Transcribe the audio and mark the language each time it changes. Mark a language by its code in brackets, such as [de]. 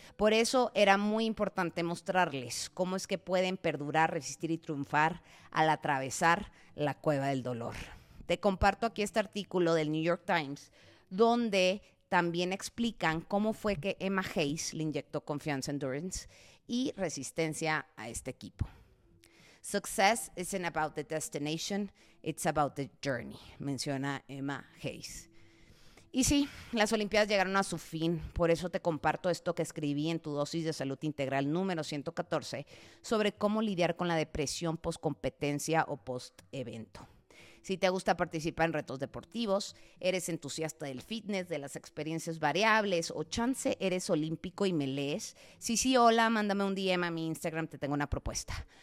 [es] Por eso era muy importante mostrarles cómo es que pueden perdurar, resistir y triunfar al atravesar la cueva del dolor. Te comparto aquí este artículo del New York Times, donde también explican cómo fue que Emma Hayes le inyectó confianza, endurance y resistencia a este equipo. [en] Success isn't about the destination, it's about the journey, [es] menciona [en] Emma Hayes. [es] Y sí, las Olimpiadas llegaron a su fin, por eso te comparto esto que escribí en Tu Dosis de Salud Integral número 114 sobre cómo lidiar con la depresión post-competencia o post-evento. Si te gusta participar en retos deportivos, eres entusiasta del fitness, de las experiencias variables o chance eres olímpico y me lees, sí, hola, mándame un DM a mi Instagram, te tengo una propuesta.